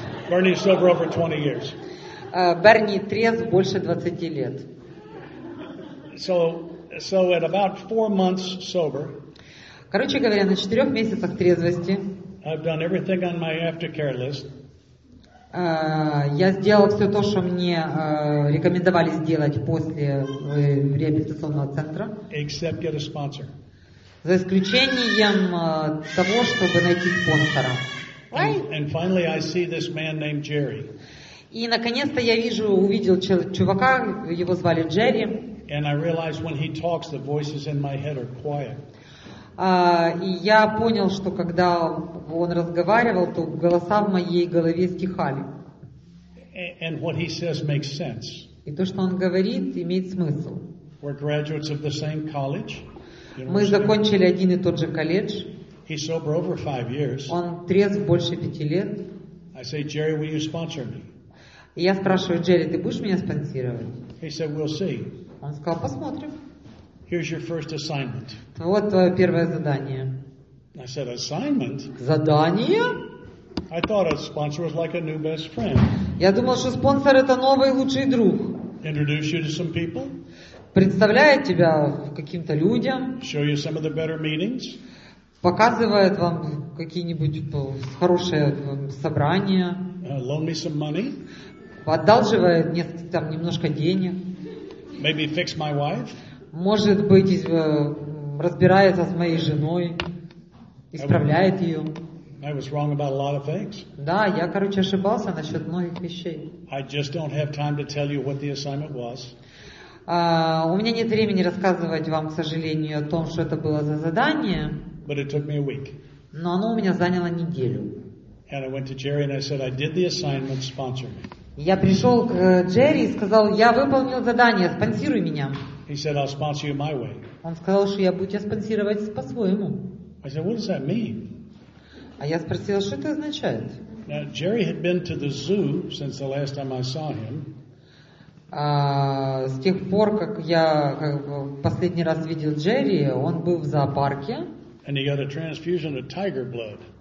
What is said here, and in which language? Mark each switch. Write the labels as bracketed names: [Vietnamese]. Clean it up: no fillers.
[English] Bernie's sober over 20 years. [Russian] Берни трезв больше 20 лет. [English] So at about 4 months sober. [Russian] Короче говоря, на 4 месяцах трезвости. [English] I've done everything on my aftercare list. [Russian] Я сделал все то, что мне рекомендовали сделать после реабилитационного центра. [English] Except get a sponsor. [Russian] За исключением того, чтобы найти спонсора. [English] And finally I see this man named Jerry. [Russian] И наконец-то я увидел чувака, его звали Джерри. [English] And I realize when he talks, the voices in my head are quiet. [Russian] И я понял, что когда он разговаривал, то голоса в моей голове стихали. [English] And what he says makes sense. [Russian] И то, что он говорит, имеет смысл. [English] We're graduates of the same college. [Russian] Мы закончили один и тот же колледж. [English] He's sober over 5 years. [Russian] Он трезв больше 5 лет. [English] I say, Jerry, will you sponsor me? [Russian] И я спрашиваю: Джерри, ты будешь меня спонсировать? [English] He said, we'll see. [Russian] Он сказал: посмотрим. [English] Here's your first assignment. [Russian] Вот твое первое задание. [English] I said, assignment? [Russian] Задание? [English] I thought a sponsor was like a new best friend. [Russian] Я думал, что спонсор — это новый лучший друг. [English] Introduce you to some people? [Russian] Представляет тебя каким-то людям. [English] Show you some of the better meetings? [Russian] Показывает вам какие-нибудь хорошие собрания. [English] Loan me some money? [Russian] Одалживает немножко денег. [English] Maybe fix my wife? [Russian] Может быть, разбирается с моей женой, исправляет ее. [English] I was wrong about a lot of things. [Russian] Да, я, короче, ошибался насчет многих вещей. [English] I just don't have time to tell you what the assignment was. [Russian] У меня нет времени рассказывать вам, к сожалению, о том, что это было за задание. [English] But it took me a week. [Russian] Но оно у меня заняло неделю. [English] And I went to Jerry and I said, I did the assignment, sponsor me. [Russian] Я пришел к Джерри и сказал, я выполнил задание, спонсируй меня. [English] He said, I'll sponsor you my way. [Russian] Он сказал, что я буду тебя спонсировать по-своему. [English] I said, what does that mean? [Russian] А я спросила, что это означает? [English] Now, Jerry had been to the zoo since the last time I saw him. [Russian] С тех пор, как я последний раз видел Джерри, он был в зоопарке. [English] And he got a transfusion of tiger blood.